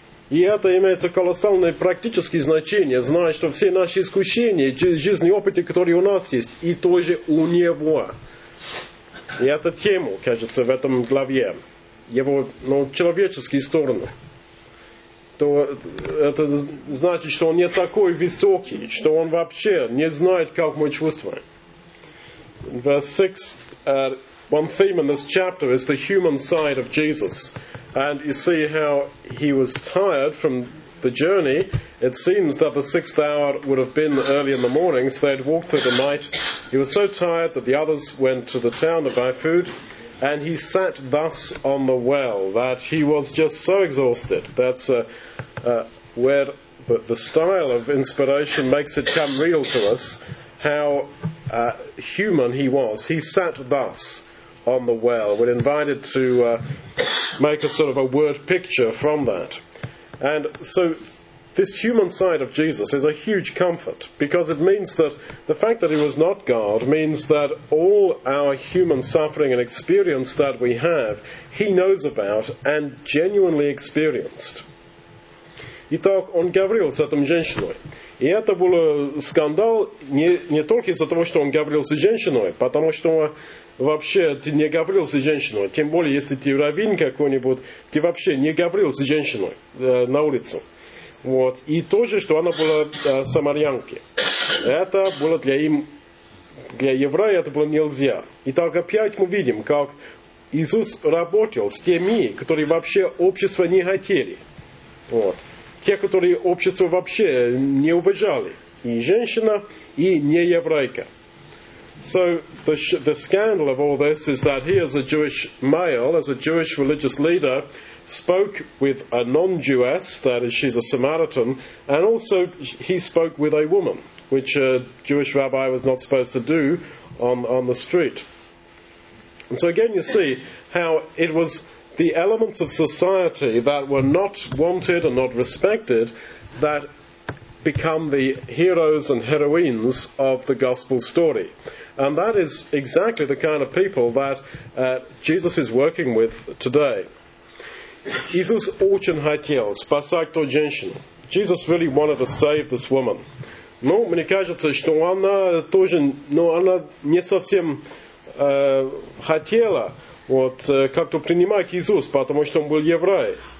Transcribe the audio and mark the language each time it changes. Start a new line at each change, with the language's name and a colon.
Russian: И это имеет колоссальное практическое значение, зная, что все наши искушения, жизненные опыты, которые у нас есть, и тоже у Него. И это тема, кажется, в этом главе. Его, ну, человеческие стороны. То это значит, что он не такой высокий, что он вообще не знает, как мы чувствуем.
English: The sixth one theme in this chapter is the human side of Jesus. And you see how he was tired from the journey. It seems that the sixth hour would have been early in the morning, so they'd walked through the night. He was so tired that the others went to the town to buy food. And he sat thus on the well, that he was just so exhausted. That's where the style of inspiration makes it come real to us, how human he was. He sat thus on the well. We're invited to make a sort of a word picture from that. And so this human side of Jesus is a huge comfort, because it means that the fact that he was not God means that all our human suffering and experience that we have, he knows about and genuinely experienced.
Russian: Итак, он говорил с этой женщиной. И это был скандал не только из-за того, что он говорил с женщиной, потому что вообще ты не говорил с женщиной. Тем более, если ты раввин какой-нибудь, ты вообще не говорил с женщиной на улицу. Вот. И то же, что она была самарянкой. Это было для еврея это было нельзя. Итак, опять мы видим, как Иисус работал с теми, которые вообще общество не хотели. Вот. Те, которые общество вообще не уважали. И женщина, и не еврейка.
English: So the scandal of all this is that he, as a Jewish male, as a Jewish religious leader, spoke with a non-Jewess, that is, she's a Samaritan, and also he spoke with a woman, which a Jewish rabbi was not supposed to do on the street. And so again, you see how it was the elements of society that were not wanted and not respected that become the heroes and heroines of the gospel story. And that is exactly the kind of people that Jesus is working with today.
Russian: Иисус очень хотел спасать ту женщину.
English: Jesus really wanted to save this woman.
Russian: Но мне кажется, что она тоже, ну, она не совсем хотела вот как-то принимать Иисуса, потому что он был еврей.